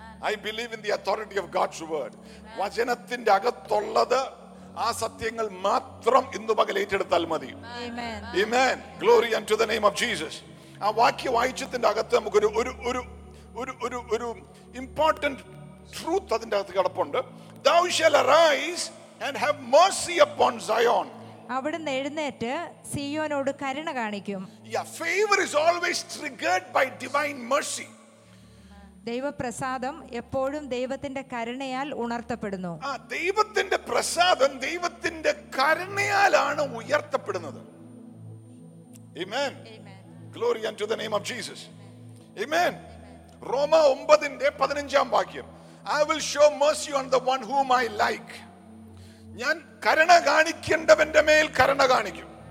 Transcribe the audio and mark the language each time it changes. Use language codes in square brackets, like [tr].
[en] I believe in the authority of God's word. [ml] വചനത്തിന്റെ അകത്തുള്ളത് ആ സത്യങ്ങൾ മാത്രം ഇന്ന് പകൽ ഏറ്റെടുത്താൽ മതി. ആമേൻ. [en] Glory unto the name of Jesus. [ml] ആ വാക്യ വായിച്ചതിന്റെ അകത്ത് നമുക്കൊരു ഒരു ഒരു ഒരു ഒരു ഒരു [en] important truth [ml] അതിന്റെ അകത്ത് കിടപ്പുണ്ട്. [en] Thou shall arise and have mercy upon Zion. [ml] അവിടുന്ന് എഴുന്നേറ്റ് സിയോനോട് കരുണ കാണിക്കും. [en] Yeah, favor is always triggered by divine mercy. [ml] ദൈവപ്രസാദം എപ്പോഴും ദൈവത്തിന്റെ കരുണയാൽ ഉണർത്തപ്പെടുന്നു. ആ ദൈവത്തിന്റെ പ്രസാദം ദൈവത്തിന്റെ കരുണയാലാണ് ഉയർത്തപ്പെടുന്നത്. [en] Amen. Glory unto the name of Jesus. Amen. [ml] Roma 9:15 പതിനഞ്ചാം വാക്യം. [en] I will show mercy on the one whom I like. [ml] ഞാൻ കരുണ കാണിക്കേണ്ടവന്റെ മേൽ കരുണ കാണിക്കും.